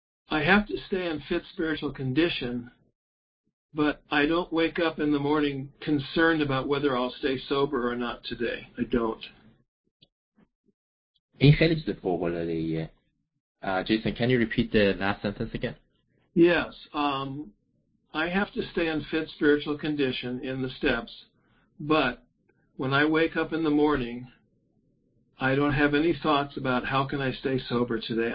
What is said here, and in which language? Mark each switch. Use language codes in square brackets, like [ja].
[en] I have to stay in fit spiritual condition, but I don't wake up in the morning concerned about whether I'll stay sober or not today. I don't. [fa] این خیلی چیز فوق‌العاده‌ایه. [en] Jason, can you repeat the last sentence again? Yes. I have to stay in fit spiritual condition in the steps, but when I wake up in the morning, I don't have any thoughts about how can I stay sober today.